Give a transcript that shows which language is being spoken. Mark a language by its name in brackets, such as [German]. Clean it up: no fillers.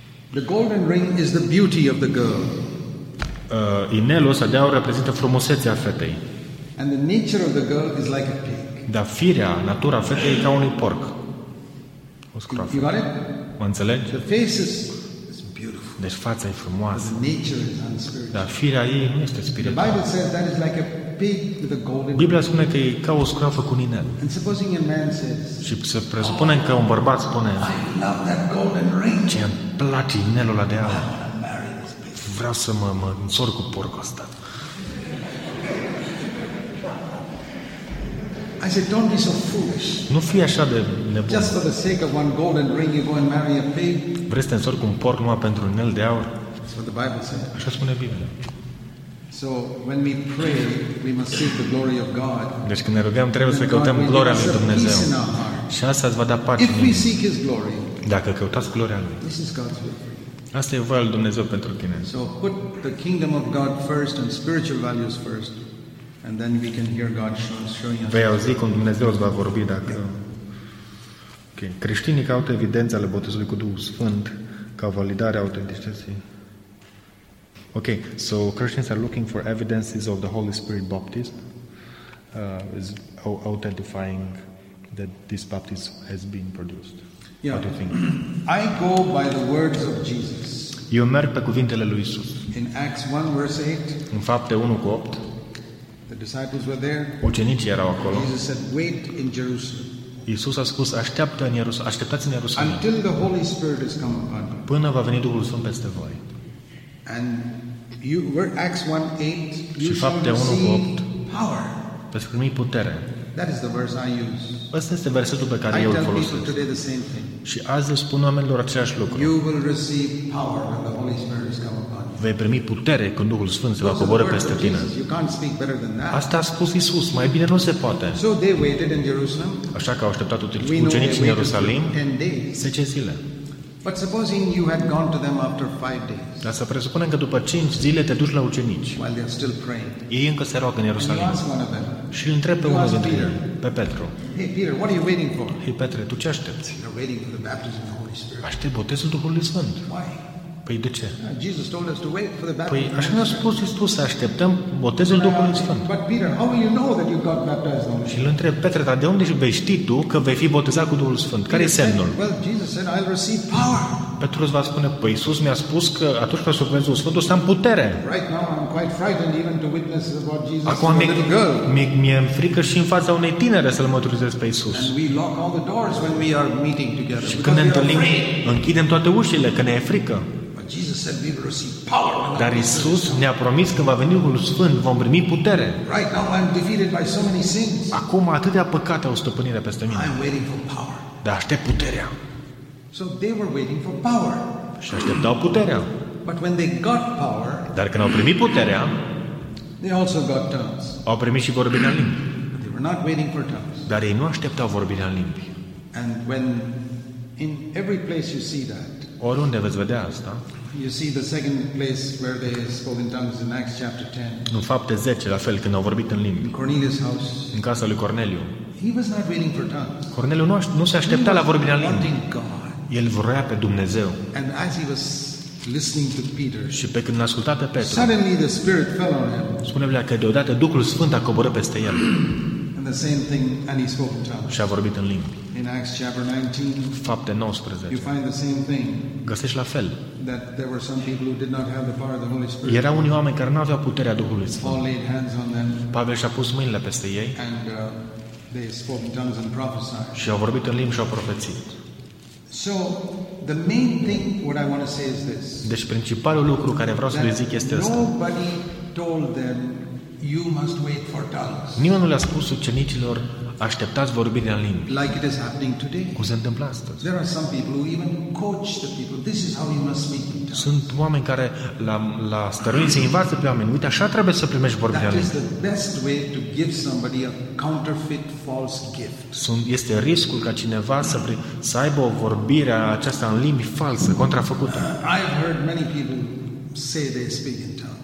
[English] The golden ring is the beauty of the girl. [Romanian] Inelul ăsta de aur reprezintă frumusețea fetei. [English] And the nature of the girl is like a pig. [Romanian] Da, firea, natura fetei e ca unui porc. O scroafă. [English] You got it? [Romanian] Mă înțelegi? [English] The face is beautiful. [Romanian] Deci fața e frumoasă. [English] The nature is unspiritual. [Romanian] Dar firea ei nu este spirituală. [English] The Bible says that is like a pig with a golden. [Romanian] Biblia spune că e ca o scroafă cu un inel. [English] And supposing a man says. [Romanian] Și să presupunem că un bărbat spune. [English] I love that golden ring. [Romanian] Ce îmi place inelul ăla de aur. [English] I want to marry this pig. [Romanian] Vreau să mă însor cu porcul ăsta. [English] I said, don't be so foolish. [Romanian] Nu fii așa de nebun. [English] Just for the sake of one golden ring, you go and marry a pig. [Romanian] Vrei să te însori cu un porc numai pentru un inel de aur? [English] That's what the Bible said. [Romanian] Așa spune Biblia. [English] So when we pray, we must seek the glory of God. [Romanian] Deci când ne rugăm, trebuie să căutăm gloria lui Dumnezeu. Și asta îți va da pace. [English] If we seek his glory. [Romanian] Dacă căutați gloria lui. [English] This is God's will. [Romanian] Asta e voia lui Dumnezeu pentru tine. [English] So put the kingdom of God first and spiritual values first, and then we can hear God showing us. [Romanian] Vei auzi cum Dumnezeu îți va vorbi dacă... Okay. Creștinii caută evidența ale botezului cu Duhul Sfânt ca validare a autenticității. [English] Ok, so Christians are looking for evidences of the Holy Spirit baptism, is authentifying that this baptism has been produced. Yeah. What do you think? I go by the words of Jesus. [Romanian] Eu merg pe cuvintele lui Isus. [English] In Acts 1 verse 8. [Romanian] În Fapte 1 cu 8. [English] The disciples were there. [Romanian] Ucenicii erau acolo. [English] Jesus said, "Wait in Jerusalem." [Romanian] Iisus a spus, așteptați în Ierusalim. [English] Until the Holy Spirit has come upon you. [Romanian] Până va veni Duhul Sfânt peste voi. [English] And you were Acts 1:8. You [Romanian] Fapte 1 cu 8. [English] Power. [Romanian] Veți primi putere. [English] That is the verse I use. [Romanian] Ăsta este versetul pe care eu îl folosesc. [English] I tell people today the same thing. [Romanian] Și azi le spun oamenilor același lucru. [English] You will receive power when the Holy Spirit has come upon you. [Romanian] Vei primi putere când Duhul Sfânt se va coboară peste tine. [English] You can't speak better than that. [Romanian] Asta a spus Iisus, mai bine nu se poate. [English] So they waited in Jerusalem. [Romanian] Așa că au așteptat ucenicii în Ierusalim 10 zile. [English] But supposing you had gone to them after 5 days. [Romanian] Dar să presupunem că după 5 zile te duci la ucenici. [English] While they are still praying. [Romanian] Ei încă se roagă în Ierusalim. [English] And you ask one of them. [Romanian] Și îl întreb pe unul dintre ei, pe Petru. [English] Hey Peter, what are you waiting for? [Romanian] Hey Petre, tu ce aștepți? [English] They're waiting for the baptism of the Holy Spirit. [Romanian] Aștept botezul Duhului Sfânt. [English] Why? [Romanian] Păi de ce? [English] Jesus told us to wait for the baptism. [Romanian] Păi așa ne-a spus Iisus să așteptăm botezul Duhului Sfânt. [English] But Peter, how will you know that you got baptized on? [Romanian] Și îl întreb Petre, dar de unde vei ști tu că vei fi botezat cu Duhul Sfânt? Care e semnul? [English] Well, Jesus said I'll receive power. [Romanian] Petru îți va spune, păi Iisus mi-a spus că atunci când sufletul Duhul Sfânt o să am putere. [English] Right now I'm quite frightened even to witness about Jesus. [Romanian] Acum mi-e frică și în fața unei tinere să-l mărturisesc pe Iisus. [English] And we lock all the doors when we are meeting together. [Romanian] Și când ne întâlnim, închidem toate ușile că ne e frică. [English] Jesus said we will receive power. [Romanian] Dar Iisus ne-a promis că va veni Duhul Sfânt, vom primi putere. [English] Right now I'm defeated by so many sins. [Romanian] Acum atâtea păcate au stăpânire peste mine. [English] I'm waiting for power. [Romanian] Dar aștept puterea. [English] So they were waiting for power. [Romanian] Și așteptau puterea. [English] But when they got power, [Romanian] dar când au primit puterea, [English] they also got tongues. [Romanian] Au primit și vorbirea în limbi. [English] They were not waiting for tongues. [Romanian] Dar ei nu așteptau vorbirea în limbi. [English] And when in every place you see that, [Romanian] oriunde veți vedea asta. [English] You see the second place where they spoke in tongues in Acts chapter 10. [Romanian] În Fapte 10, la fel, când au vorbit în limbi. [English] In Cornelius' house. [Romanian] În casa lui Corneliu. [English] He was not waiting for tongues. [Romanian] Corneliu nu se aștepta la vorbirea în limbi. El vrea pe Dumnezeu. [English] And as he was listening to Peter, [Romanian] și pe când asculta pe Petru, [English] suddenly the Spirit fell on him. [Romanian] Spune Biblia că deodată Duhul Sfânt a coborât peste el. [English] And the same thing, and he spoke in tongues. [Romanian] Și a vorbit în limbi. [English] In Acts chapter 19, [Romanian] Fapte 19. [English] You find the same thing. [Romanian] Găsești la fel. [English] That there were some people who did not have the power of the Holy Spirit. [Romanian] Erau unii oameni care nu aveau puterea Duhului Sfânt. [English] Paul laid hands on them. [Romanian] Pavel și-a pus mâinile peste ei. [English] And they spoke in tongues and prophesied. [Romanian] Și au vorbit în limbi și au profețit. [English] So the main thing what I want to say is this. [Romanian] Deci principalul lucru care vreau să le zic este ăsta. [English] Nobody told them you must wait for tongues. [Romanian] Nimeni nu le-a spus ucenicilor așteptați vorbirea în limbi. [English] Like it is happening today. [Romanian] Cum se întâmplă astăzi? [English] There are some people who even coach the people. This is how you must speak in tongues. [Romanian] Sunt oameni care la stăruință învață pe oameni. Uite, așa trebuie să primești vorbirea în limbi. [English] That is the best way to give somebody a counterfeit false gift. [Romanian] Este riscul ca cineva să aibă o vorbire aceasta în limbi falsă, contrafăcută. [English] I've heard many people say they speak in tongues.